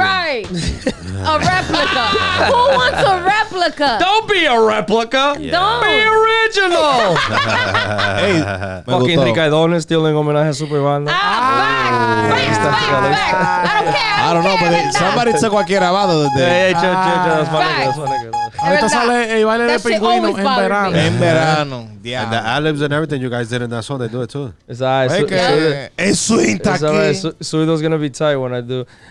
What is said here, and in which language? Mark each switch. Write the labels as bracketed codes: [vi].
[en] Right. A replica. Who wants a replica? Don't be a replica. Yeah. Don't. Be original. Hey, fucking Ricardón is stealing homenaje a Superbanda. Facts. I don't know, but somebody took [es] cualquier abado [en] today. That's funny. Facts. [es] Ahorita sale el baile de pingüino en verano. En verano. Yeah. [en] And the ad-libs and everything you guys did in that song, they do it too. It's all right. Suido's going to be tight when I do.